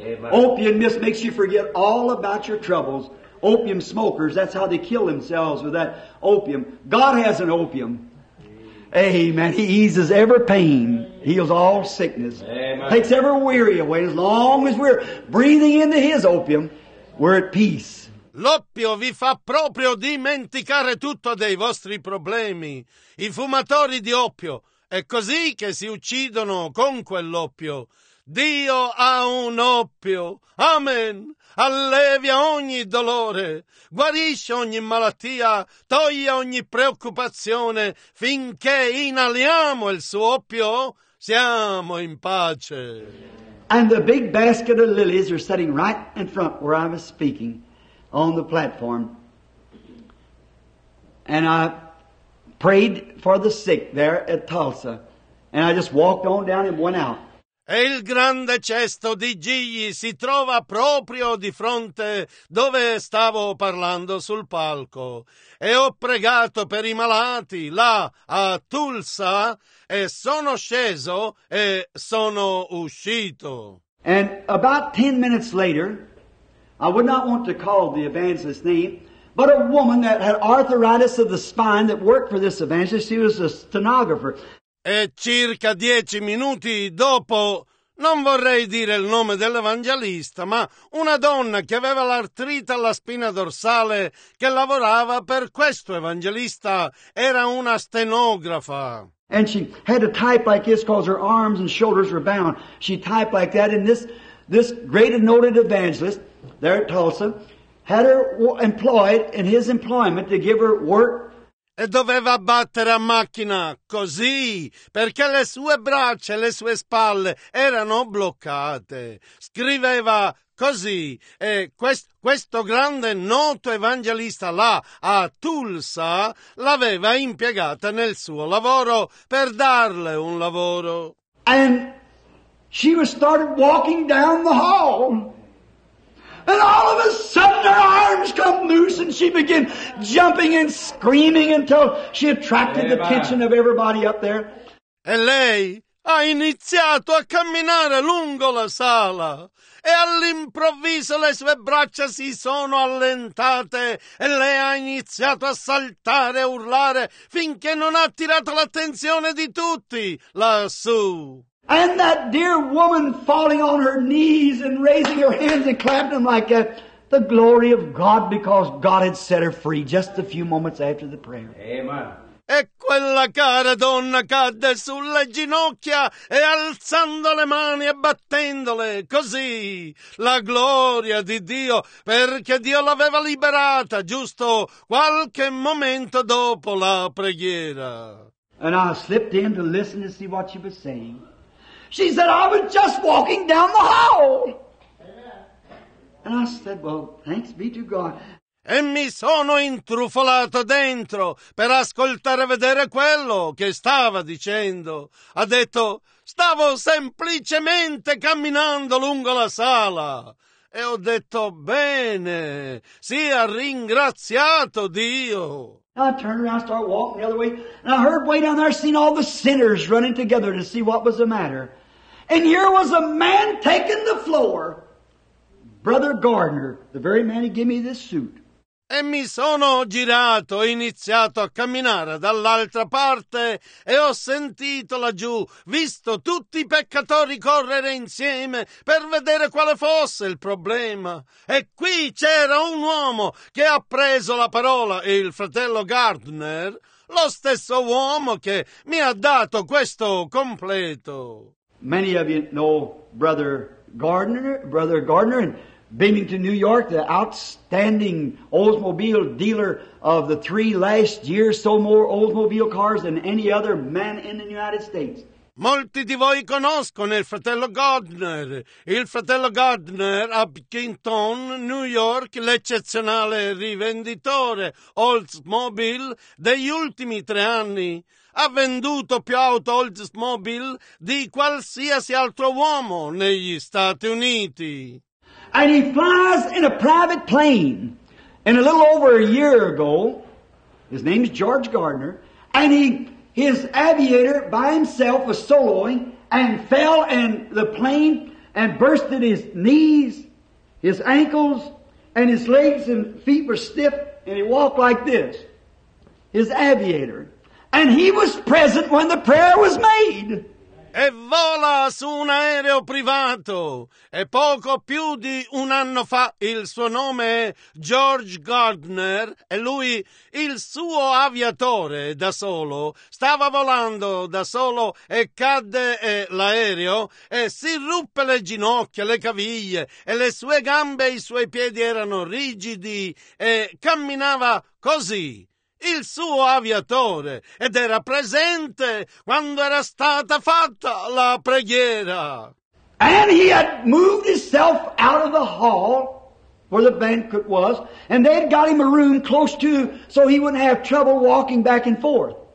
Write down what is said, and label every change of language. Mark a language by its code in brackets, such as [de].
[en] Opium just makes you forget all about your troubles. Opium smokers, that's how they kill themselves with that opium. God has an opium. Amen. He eases every pain. Heals all sickness. Amen. Takes every weary away. As long as we're breathing into His opium, we're at peace. [it] L'oppio vi fa proprio dimenticare tutto dei vostri problemi. I fumatori di oppio, è così che si uccidono con quell'oppio. Dio ha un oppio. Amen. Allevia ogni dolore, guarisce ogni malattia, toglie ogni preoccupazione, finché inaliamo il suo oppio, siamo in pace. [en] And the big basket of lilies are sitting right in front where I was speaking on the platform. And I prayed for the sick there at Tulsa, and I just walked on down and went out. [it] E il grande cesto di gigli si trova proprio di fronte dove stavo parlando sul palco. E ho pregato per i malati là a Tulsa e sono sceso e sono uscito. [en] And about 10 minutes later, I would not want to call the evangelist's name, but a woman that had arthritis of the spine that worked for this evangelist, she was a stenographer. [it] E circa 10 minuti dopo, non vorrei dire il nome dell'evangelista, ma una donna che aveva l'artrite alla spina dorsale, che lavorava per questo evangelista, era una stenografa. [en] And she had to type like this because her arms and shoulders were bound. She typed like that, and this great and noted evangelist there at Tulsa had her employed in his employment to give her work. [it] E doveva battere a macchina, così, perché le sue braccia e le sue spalle erano bloccate. Scriveva così, e questo grande noto evangelista là, a Tulsa, l'aveva impiegata nel suo lavoro, per darle un lavoro. [en] And she was started walking down the hall. And all of a sudden her arms come loose and she began jumping and screaming until she attracted the attention of everybody up there. [it] E lei ha iniziato a camminare lungo la sala e all'improvviso le sue braccia si sono allentate e lei ha iniziato a saltare e urlare finché non ha attirato l'attenzione di tutti lassù. [en] And that dear woman falling on her knees and raising her hands and clapping them like that, the glory of God, because God had set her free just a few moments after the prayer. Amen. [it] E quella cara donna cadde sulle ginocchia e alzando le mani e battendole così la gloria di Dio, perché Dio l'aveva liberata giusto qualche momento dopo la preghiera. [en] And I slipped in to listen to see what she was saying. She said, I was just walking down the hall. And I said, well, thanks be to God. [it] E mi sono intrufolato dentro per ascoltare e vedere quello che stava dicendo. Ha detto, stavo semplicemente camminando lungo la sala. E ho detto, bene, sia ringraziato Dio. [en] I turned around, started walking the other way. And I heard way down there, seen all the sinners running together to see what was the matter. And here was a man taking the floor. Brother Gardner, the very man who gave me this suit. [it] E mi sono girato, ho iniziato a camminare dall'altra parte e ho sentito laggiù, visto tutti i peccatori correre insieme per vedere quale fosse il problema. E qui c'era un uomo che ha preso la parola, il fratello Gardner, lo stesso uomo che mi ha dato questo completo. [en] Many of you know Brother Gardner, in Bloomington, New York, the outstanding Oldsmobile dealer of the three last year, so more Oldsmobile cars than any other man in the United States. [it] Molti di voi conoscono il fratello Gardner. Il fratello Gardner a Kington, New York, l'eccezionale rivenditore Oldsmobile degli ultimi tre anni. Ha venduto più auto Oldsmobile di qualsiasi altro uomo negli Stati Uniti. [en] And he flies in a private plane. And a little over a year ago, his name is George Gardner, and his aviator by himself was soloing and fell in the plane and bursted his knees, his ankles, and his legs and feet were stiff, and he walked like this, his aviator. And he was present when the prayer was made. [it] E vola su un aereo privato. E poco più di un anno fa, il suo nome è George Gardner, e lui, il suo aviatore da solo, stava volando da solo e cadde l'aereo e si ruppe le ginocchia, le caviglie, e le sue gambe e i suoi piedi erano rigidi e camminava così. Il suo aviatore, ed era presente quando era stata fatta la preghiera. [en] And he had moved himself out of the hall where the banquet was, and they had got him a room close to so he wouldn't have trouble walking back and forth.